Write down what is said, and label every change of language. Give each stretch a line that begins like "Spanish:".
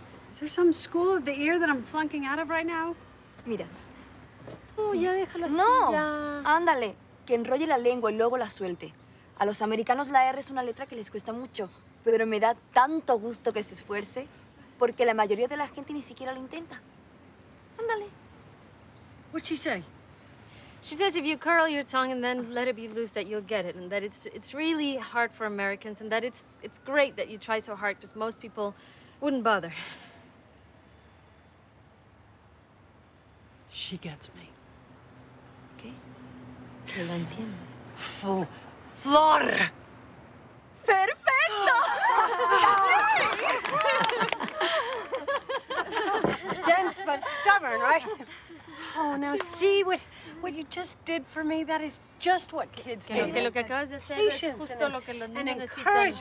English: Is there some school of the ear that I'm flunking out of right now?
Spanish: Mira. Oh, ya déjalo así. No. Ya. Ándale. Que enrolle la lengua y luego la suelte. A los americanos la R es una letra que les cuesta mucho, pero me da tanto gusto que se esfuerce. Porque la mayoría de la gente ni siquiera lo intenta. Ándale.
English: What'd she say? She says if you curl your tongue and then let it be loose, that you'll get it. And that it's really hard for Americans. And that it's great that you try so hard, because most people Wouldn't bother. She gets me.
Spanish: ¿Qué? ¿Qué lo entiendes? Flor! ¡Perfecto!
English: Dense but stubborn, right? Oh, now see what you just did for me? That is just what kids need.
Spanish: Que lo que acabas de hacer es justo lo que los niños necesitan.